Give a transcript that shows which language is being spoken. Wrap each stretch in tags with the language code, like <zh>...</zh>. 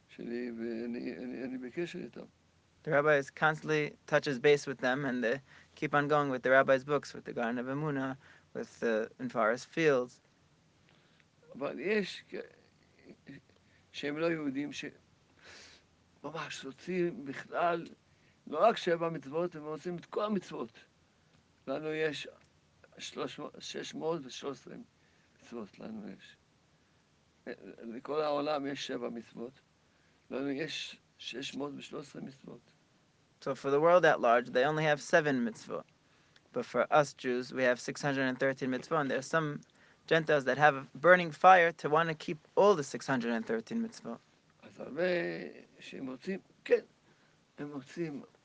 <en>The rabbi is constantly touches base with them, and they keep on going with the rabbi's books, with the Garden of Emunah, with the In Forest Fields. But yes, they are not Jewish, they really want to.</en> <he>לא רק שבע מצוות, הם עושים את כל המצוות. לנו יש 613 מצוות, לנו יש. לכל העולם יש שבע מצוות. לנו יש 613 מצוות.</he> <en>So for the world at large, they only have seven mitzvot. But for us Jews, we have 613 mitzvot. And there are some Gentiles that have a burning fire to want to keep all the 613 mitzvot.</en> <he>אז הרבה שהם רוצים, כן, הם רוצים.</he>